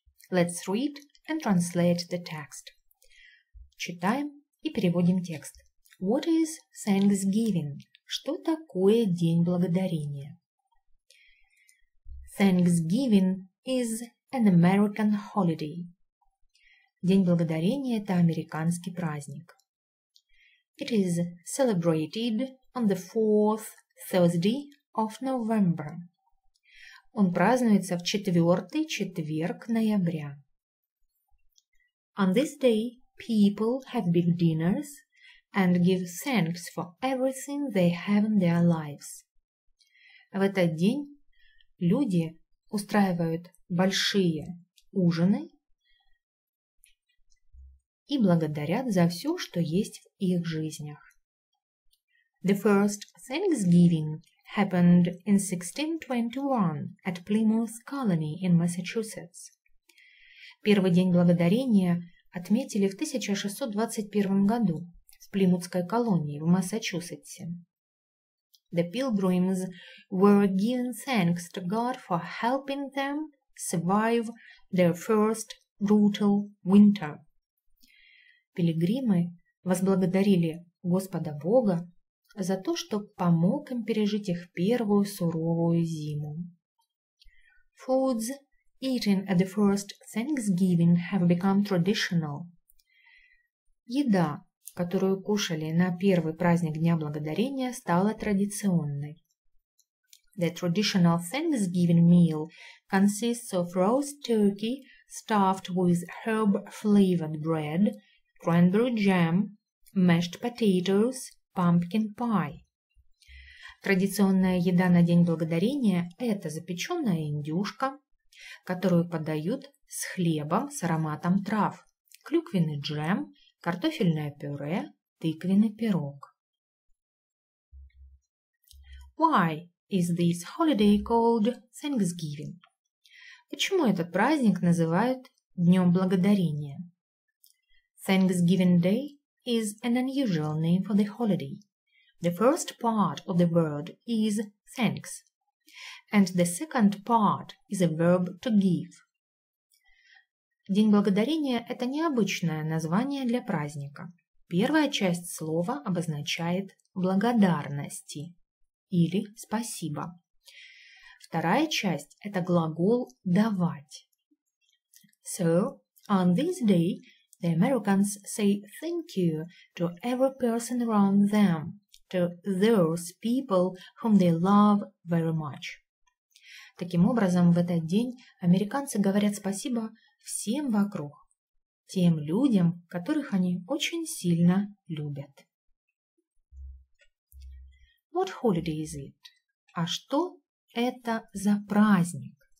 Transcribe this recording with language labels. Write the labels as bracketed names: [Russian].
[English] Let's read and translate the text. [Russian] Читаем и переводим текст. [English] What is Thanksgiving? [Russian] Что такое День Благодарения? [English] Thanksgiving is an American holiday. [Russian] День Благодарения – это американский праздник. [English] It is celebrated on the fourth Thursday of November. [Russian] Он празднуется в четвертый четверг ноября. [English] On this day, people have big dinners and give thanks for everything they have in their lives. [Russian] В этот день люди устраивают большие ужины и благодарят за все, что есть в их жизнях. [English] The first Thanksgiving happened in 1621 at Plymouth Colony in Massachusetts. [Russian] Первый день благодарения отметили в 1621 году в Плимутской колонии в Массачусетсе. [English] The pilgrims were given thanks to God for helping them survive their first brutal winter. [Russian] Пилигримы возблагодарили Господа Бога за то, что помог им пережить их первую суровую зиму. [English] Foods eaten at the first Thanksgiving have become traditional. [Russian] Еда, которую кушали на первый праздник Дня Благодарения, стала традиционной. [English] The traditional Thanksgiving meal consists of roast turkey stuffed with herb-flavored bread, cranberry jam, mashed potatoes, pumpkin pie. [Russian] Традиционная еда на День Благодарения – это запеченная индюшка, которую подают с хлебом с ароматом трав, клюквенный джем, картофельное пюре, тыквенный пирог. [English] Why is this holiday called Thanksgiving? [Russian] Почему этот праздник называют Днем Благодарения? [English] Thanksgiving Day is an unusual name for the holiday. The first part of the word is thanks, and the second part is a verb to give. [Russian] День Благодарения – это необычное название для праздника. Первая часть слова обозначает благодарности или спасибо. Вторая часть – это глагол давать. [English] So, on this day, the Americans say thank you to every person around them, to those people whom they love very much. [Russian] Таким образом, в этот день американцы говорят спасибо всем вокруг, тем людям, которых они очень сильно любят. [English] What holiday is it? [Russian] А что это за праздник?